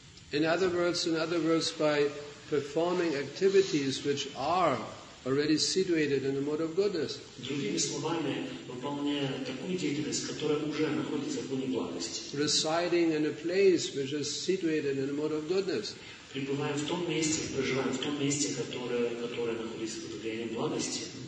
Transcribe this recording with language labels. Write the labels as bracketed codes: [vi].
[en] In other words, by performing activities which are already situated in the mode of goodness. [ru] Другими словами, выполняя такую деятельность, которая уже находится в гуне благости. [en] Residing in a place which is situated in the mode of goodness. [ru] Пребываем в том месте, проживаем в том месте, которое находится под влиянием благости.